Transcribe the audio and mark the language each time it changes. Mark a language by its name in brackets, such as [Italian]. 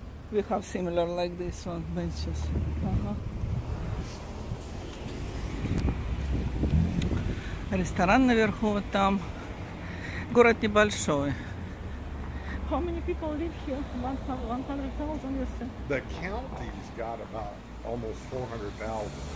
[English] We have similar like this one benches. [Russian] Ресторан наверху вот там. Город небольшой. [English] How many people live here? 100,000, you say? The county's got about almost 400,000.